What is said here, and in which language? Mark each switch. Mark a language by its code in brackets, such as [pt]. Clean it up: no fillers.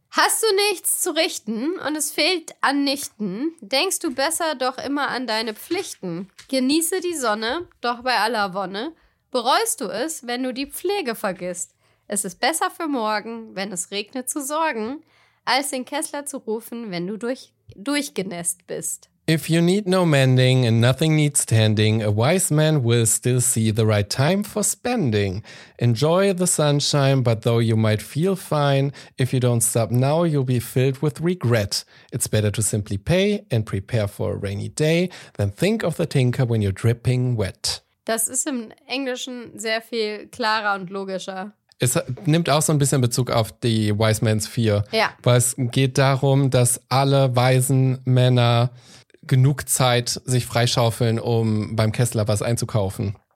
[de] Hast du nichts zu richten und es fehlt an Nichten, denkst du besser doch immer an deine Pflichten. Genieße die Sonne, doch bei aller Wonne, bereust du es, wenn du die Pflege vergisst. Es ist besser für morgen, wenn es regnet, zu sorgen, als den Kessler zu rufen, wenn du durchgenässt bist. [en] If you need no mending and nothing needs tending, a wise man will still see the right time for spending. Enjoy the sunshine, but though you might feel fine, if you don't stop now, you'll be filled with regret. It's better to simply pay and prepare for a rainy day than think of the tinker when you're dripping wet. [de] Das ist im Englischen sehr viel klarer und logischer. Es nimmt auch so ein bisschen Bezug auf die Wise Man's Fear. Ja. Weil es geht darum, dass alle weisen Männer genug Zeit sich freischaufeln, um beim Kessler was einzukaufen.